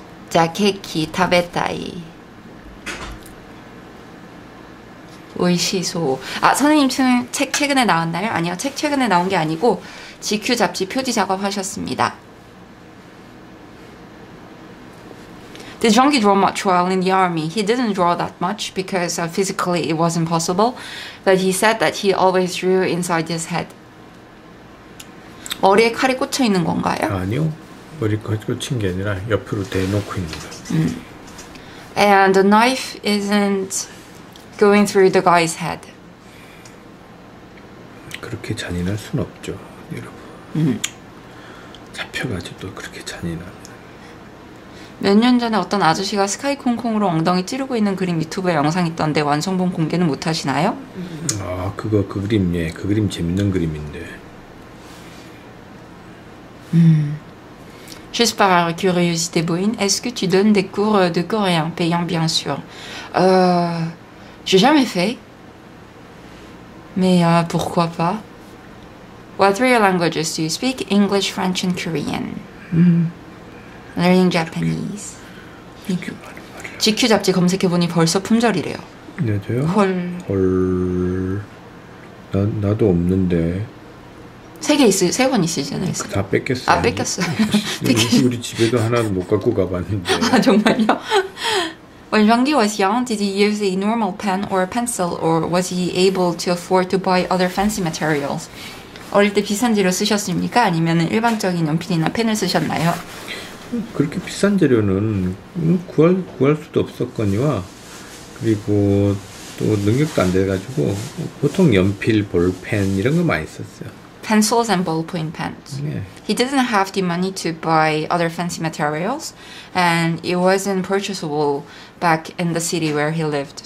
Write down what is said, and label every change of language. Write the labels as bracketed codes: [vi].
[ja] 자케키 타베타이 오이시소. [ko] 아 선생님 책 최근에 나왔나요? 아니요 책 최근에 나온 게 아니고 GQ 잡지 표지 작업 하셨습니다. [en] Did Jeonggi draw much while in the army? He didn't draw that much because physically it was impossible, but he said that he always drew inside his head. [ko] 머리에 칼이 꽂혀 있는 건가요? 아니요. 머리에 칼이 꽂힌 게 아니라 옆으로 대놓고 있는 거. [en] And the knife isn't going through the guy's head. [ko] 그렇게 잔인할 순 없죠, 여러분. 잡혀가지고 그렇게 잔인한. 몇 년 전에 어떤 아저씨가 스카이 콩콩으로 엉덩이 찌르고 있는 그림 유튜브에 영상 있던데 완성본 공개는 못 하시나요? 아, 그거 그 그림 예. 그 그림 재밌는 그림인데. [fr] Juste par curiosité, Boine, est-ce que tu donnes des cours de coréen payant, bien sûr? J'ai jamais fait. Mais pourquoi pas? [en] What three languages do you speak? English, French, and Korean. Learning Japanese. [ko] GQ 잡지 검색해보니 벌써 품절이래요. 네, 저요? 헐. 나도 없는데. 세 권 있으시잖아요. 다 뺏겼어요. 아, 뺏겼어요. 우리 집에도 하나도 못 갖고 가봤는데. 아, 정말요? [en] When Jeonggi was young, did he use a normal pen or pencil, or was he able to afford to buy other fancy materials? [ko] 어릴 때 비싼 재료 쓰셨습니까? 아니면 일반적인 연필이나 펜을 쓰셨나요? 그렇게 비싼 재료는 구할 수도 없었거니와 그리고 또 능력도 안 돼가지고 보통 연필, 볼펜 이런 거 많이 썼어요. [en] Pencils and ballpoint pens. Yeah. He didn't have the money to buy other fancy materials, and it wasn't purchasable back in the city where he lived.